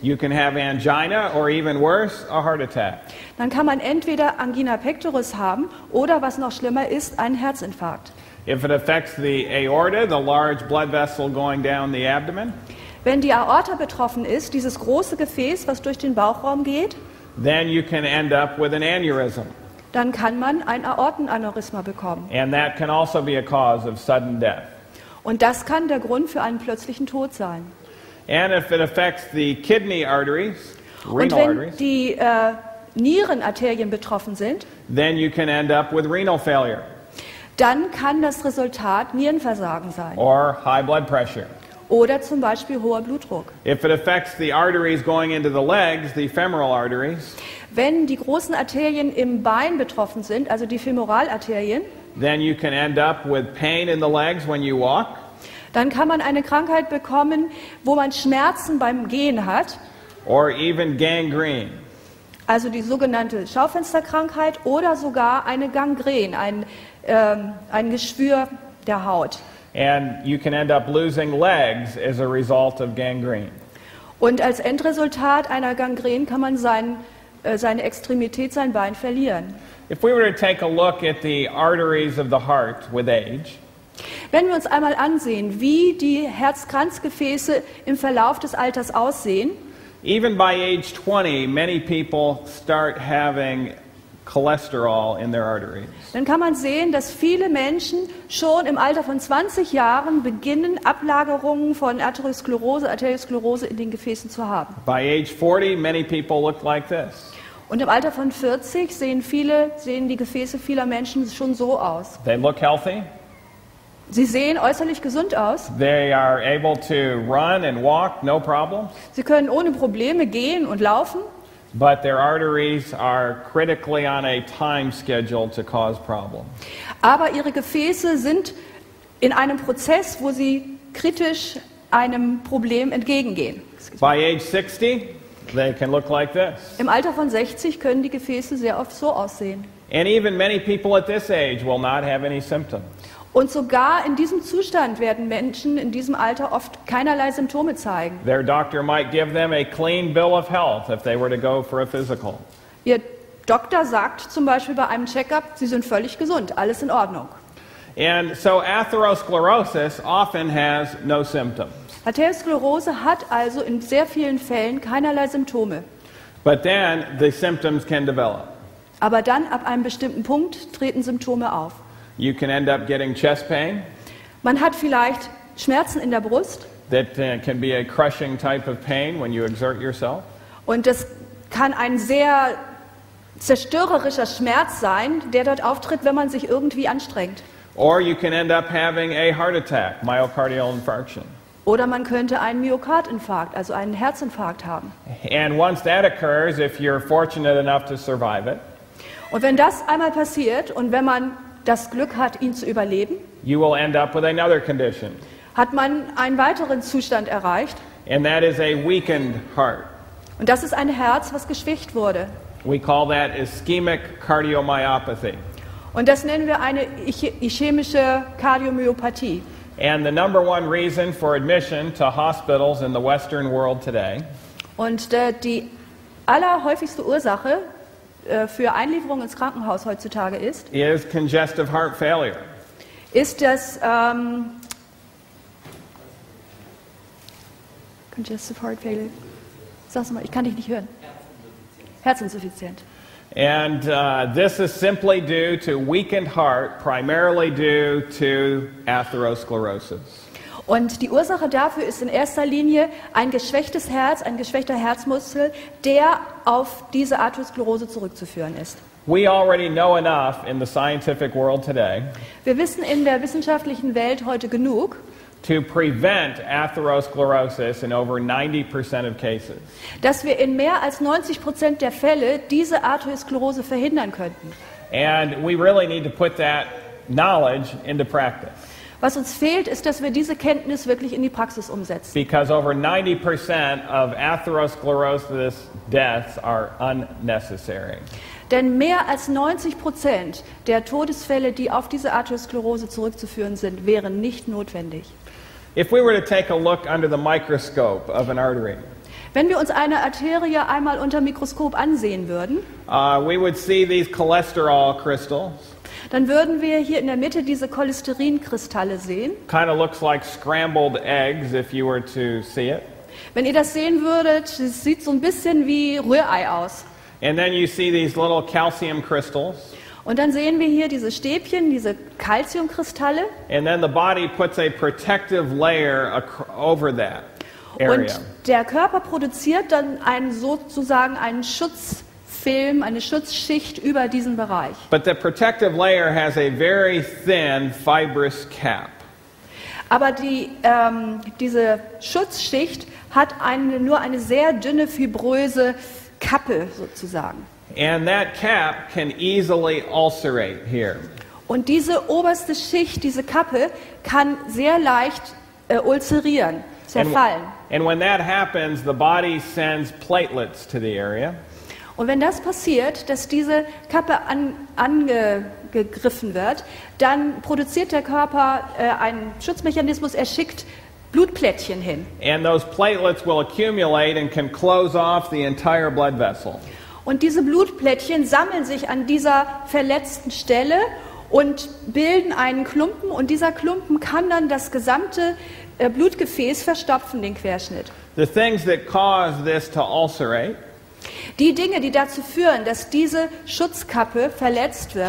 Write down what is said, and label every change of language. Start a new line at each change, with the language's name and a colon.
English: you can have angina or even worse, a heart attack.
German: Dann kann man entweder Angina pectoris haben oder, was noch schlimmer ist, einen Herzinfarkt.
English: If it affects the aorta, the large blood vessel going down the abdomen,
German: wenn die Aorta betroffen ist, dieses große Gefäß, was durch den Bauchraum geht,
English: then you can end up with an aneurysm.
German: Dann kann man ein Aortenaneurysma bekommen.
English: And that can also be a cause of sudden death.
German: Und das kann der Grund für einen plötzlichen Tod sein.
English: And if it affects the kidney arteries, renal arteries,
German: und wenn die Nierenarterien betroffen sind,
English: then you can end up with renal failure.
German: Dann kann das Resultat Nierenversagen sein.
English: Or high blood pressure.
German: Oder zum Beispiel hoher Blutdruck.
English: If it affects the arteries going into the legs, the femoral arteries,
German: wenn die großen Arterien im Bein betroffen sind, also die Femoralarterien,
English: then you can end up with pain in the legs when you walk.
German: Dann kann man eine Krankheit bekommen, wo man Schmerzen beim Gehen hat.
English: Or even gangrene.
German: Also die sogenannte Schaufensterkrankheit oder sogar eine Gangrene, ein Geschwür der Haut.
English: And you can end up losing legs as a result of gangrene.
German: Und als Endresultat einer Gangrene kann man seine Extremität, sein Bein verlieren.
English: If we were to take a look at the arteries of the heart with age.
German: Wenn wir uns einmal ansehen, wie die Herzkranzgefäße im Verlauf des Alters aussehen.
English: Even by age 20, many people start having cholesterol in their arteries.
German: Dann kann man sehen, dass viele Menschen schon im Alter von 20 Jahren beginnen, Ablagerungen von Arteriosklerose in den Gefäßen zu haben.
English: By age 40, many people look like this.
German: Und im Alter von 40 sehen die Gefäße vieler Menschen schon so aus.
English: They look healthy.
German: Sie sehen äußerlich gesund aus.
English: They are able to run and walk, no problem.
German: Sie können ohne Probleme gehen und laufen.
English: But their arteries are critically on a time schedule to cause problems.
German: Aber ihre Gefäße sind in einem Prozess, wo sie kritisch einem Problem entgegengehen.
English: By age 60, they can look like this.
German: Im Alter von 60 können die Gefäße sehr oft so aussehen.
English: And even many people at this age will not have any symptoms.
German: Und sogar in diesem Zustand werden Menschen in diesem Alter oft keinerlei Symptome zeigen.
English: Their doctor might give them a clean bill of health if they were to go for a physical.
German: Ihr Doktor sagt zum Beispiel bei einem Check-up, Sie sind völlig gesund, alles in Ordnung.
English: And so atherosclerosis often has no symptoms.
German: Atherosklerose hat also in sehr vielen Fällen keinerlei Symptome.
English: But then the symptoms can develop.
German: Aber dann ab einem bestimmten Punkt treten Symptome auf.
English: You can end up getting chest pain.
German: Man hat vielleicht Schmerzen in der Brust.
English: That can be a crushing type of pain when you exert yourself.
German: Und das kann ein sehr zerstörerischer Schmerz sein, der dort auftritt, wenn man sich irgendwie anstrengt.
English: Or you can end up having a heart attack, myocardial infarction.
German: Oder man könnte einen Myokardinfarkt, also einen Herzinfarkt haben.
English: And once that occurs, if you're fortunate enough to survive it.
German: Und wenn das einmal passiert und wenn man das Glück hat, ihn zu überleben,
English: you will end up with another condition.
German: Hat man einen weiteren Zustand erreicht.
English: And that is a weakened heart.
German: Und das ist ein Herz, was geschwächt wurde.
English: We call that ischemic cardiomyopathy.
German: Und das nennen wir eine ischämische Kardiomyopathie.
English: And the number one reason for admission to hospitals in the Western world today.
German: Und die allerhäufigste Ursache für Einlieferung ins Krankenhaus heutzutage ist.
English: Is congestive heart failure.
German: Ist das
English: congestive heart failure?
German: Sag's mal, ich kann dich nicht hören. Herzinsuffizient.
English: And this is simply due to weakened heart, primarily due to atherosclerosis.
German: Und die Ursache dafür ist in erster Linie ein geschwächtes Herz, ein geschwächter Herzmuskel, der auf diese Arteriosklerose zurückzuführen ist.
English: We already know enough in the scientific world today.
German: Wir wissen in der wissenschaftlichen Welt heute genug.
English: To prevent atherosclerosis in over 90% of cases.
German: Dass wir in mehr als 90% der Fälle diese Arteriosklerose verhindern könnten.
English: And we really need to put that knowledge into practice.
German: Was uns fehlt, ist, dass wir diese Kenntnis wirklich in die Praxis umsetzen.
English: Because over 90% of atherosclerosis deaths are unnecessary.
German: Denn mehr als 90% der Todesfälle, die auf diese Arteriosklerose zurückzuführen sind, wären nicht notwendig.
English: If we were to take a look under the microscope of an artery.
German: Wenn wir uns eine Arterie einmal unter dem Mikroskop ansehen würden,
English: we would see these cholesterol crystals.
German: Dann würden wir hier in der Mitte diese Cholesterinkristalle sehen.
English: Kind of looks like scrambled eggs if you were to see it.
German: Wenn ihr das sehen würdet, es sieht so ein bisschen wie Rührei aus.
English: And then you see these little calcium crystals.
German: Und dann sehen wir hier diese Stäbchen, diese Calciumkristalle.
English: And then the body puts a protective layer over that area.
German: Und der Körper produziert dann sozusagen einen Schutz. Film, eine Schutzschicht über diesen Bereich.
English: But the protective layer has a very thin fibrous cap.
German: Aber diese Schutzschicht hat nur eine sehr dünne fibröse Kappe sozusagen.
English: And that cap can easily ulcerate here.
German: Und diese oberste Schicht, diese Kappe, kann sehr leicht ulcerieren, zerfallen.
English: And when that happens, the body sends platelets to the area.
German: Und wenn das passiert, dass diese Kappe angegriffen wird, dann produziert der Körper einen Schutzmechanismus, er schickt Blutplättchen hin.
English: And those platelets will accumulate and can close off the entire blood vessel.
German: Und diese Blutplättchen sammeln sich an dieser verletzten Stelle und bilden einen Klumpen, und dieser Klumpen kann dann das gesamte Blutgefäß verstopfen, den Querschnitt.
English: The things that cause this to ulcerate,
German: die Dinge, die dazu führen, dass diese Schutzkappe verletzt wird,